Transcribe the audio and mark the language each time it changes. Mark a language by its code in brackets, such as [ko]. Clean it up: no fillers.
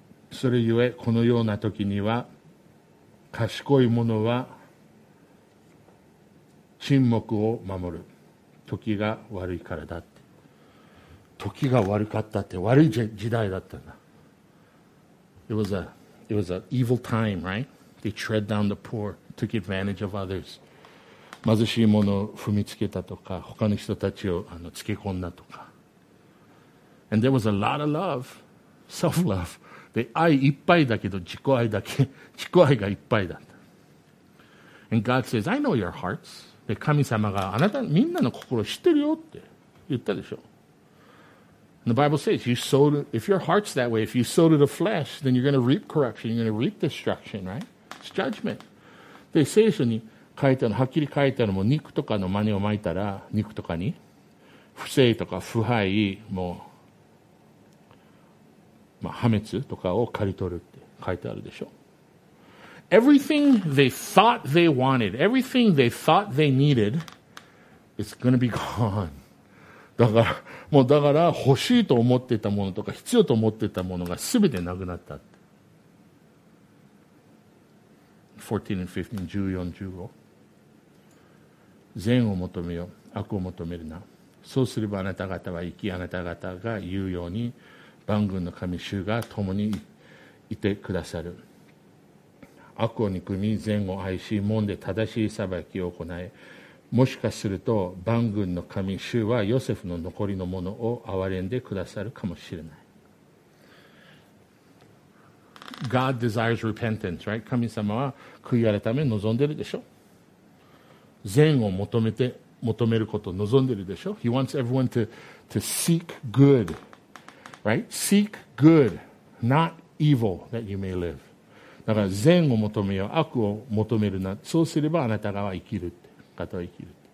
[ja] それゆえこのような時には賢い者は沈黙を守る。時が悪いからだって。時が悪かったって悪い時代だったんだ。 [en] It was an evil time, right? They tread down the poor, took advantage of others. [ja] 貧しい者を踏みつけたとか、他の人たちをつけ込んだとか。 [en] And there was a lot of love. Self-love. [ja] で、愛いっぱいだけど自己愛だけ、自己愛がいっぱいだった。 [en] And God says, I know your hearts. [ja] で、神様があなた、みんなの心を知ってるよって言ったでしょ。 [en] And the Bible says, if your heart's that way, if you sow to the flesh, then you're going to reap corruption, you're going to reap destruction, right? It's judgment. [ja] で、聖書に書いたの、はっきり書いたのも、肉とかの真似をまいたら、肉とかに、不正とか腐敗、もう、まあ、破滅とかを刈り取るって書いてあるでしょ。 [en] Everything they thought they wanted, everything they thought they needed, is gonna be gone. [ja] だから欲しいと思ってたものとか必要と思ってたものが全てなくなったって。 [en] 14 and 15, 14, 15. [ja] 善を求めよ、悪を求めるな。そうすればあなた方は生き、あなた方が言うように、万軍の神主が共にいてくださる。悪を憎み善を愛し門で正しい裁きを行え、もしかすると万軍の神主はヨセフの残りのものを憐れんでくださるかもしれない。 [en] God desires repentance, right? [ja] 神様は悔い改め望んでるでしょ。善を求めることを望んでるでしょ。 [en] He wants everyone to seek goodRight? Seek good, not evil, that you may live. [ja] だから善を求めよ、悪を求めるな。そうすればあなたが生きるって、方は生きる。